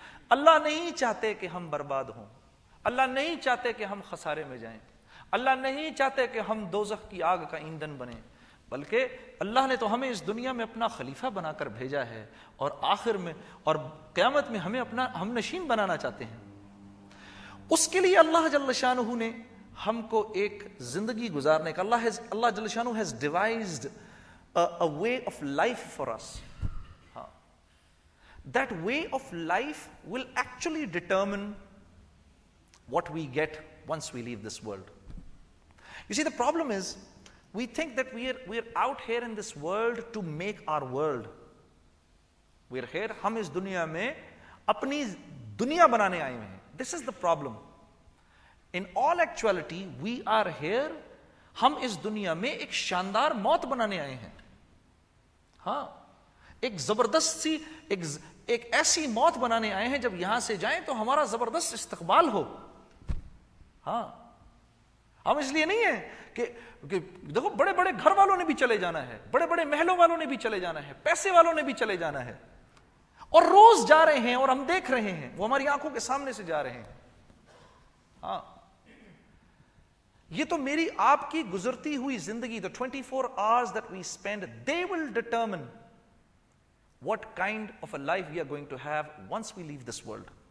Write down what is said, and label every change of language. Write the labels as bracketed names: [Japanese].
[Urdu] اللہ نہیں چاہتے کہ ہم برباد ہوں, اللہ نہیں چاہتے کہ ہم خسارے میں جائیں, اللہ نہیں چاہتے کہ ہم دوزخ کی آگ کا ایندھن بنیں, بلکہ اللہ نے تو ہمیں اس دنیا میں اپنا خلیفہ بنا کر بھیجا ہے اور آخر میں اور قیامت میں ہمیں اپنا ہم نشین بنانا چاہتے ہیں. اس کے لیے اللہ جل شانہ نے ہم کو ایک زندگی گزارنے کا, اللہ جل شانہ [English] has devised a way of life for us. That way of life will actually determine what we get once we leave this world. You see, the problem is we think that we are out here in this world to make our world. We are here, [Urdu] hum is duniya mein apni duniya banane aaye hain. [English] This is the problem. In all actuality, we are here, [Urdu] hum is duniya mein ek shandar maut banane aaye hain. Haan, ek zabardast si, ek aisi maut banane aaye hain, jab yahan se jaye to hamara zabardast istiqbal ho. Haan, hum is liye nahi hain ke دیکھو بڑے بڑے گھر والوں نے بھی چلے جانا ہے, بڑے بڑے محلوں والوں نے بھی چلے جانا ہے, پیسے والوں نے بھی چلے جانا ہے, اور روز جا رہے ہیں اور ہم دیکھ رہے ہیں, وہ ہماری آنکھوں کے سامنے سے جا رہے ہیں. ہاں, یہ تو میری آپ کی گزرتی ہوئی زندگی, [English] the 24 hours that we spend, they will determine what kind of a life we are going to have once we leave this world.